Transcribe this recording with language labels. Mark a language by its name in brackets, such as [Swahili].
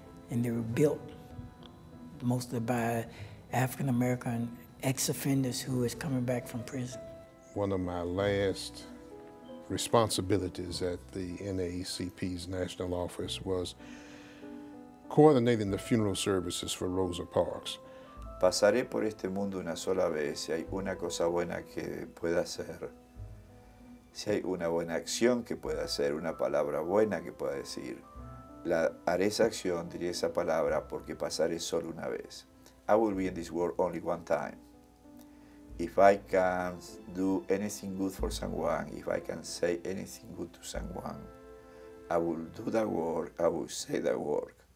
[English] And they were built mostly by African-American ex-offenders who was coming back from prison. One of my last responsibilities at the NAACP's national office was coordinating the funeral services for Rosa Parks. [Spanish] Pasaré por este mundo una sola vez, si hay una cosa buena que pueda hacer, si hay una buena acción que pueda hacer, una palabra buena que pueda decir, haré esa acción, diré esa palabra, porque pasaré solo una vez. [English] I will be in this world only one time. If I can do anything good for someone, if I can say anything good to someone, I will do that work, I will say that work.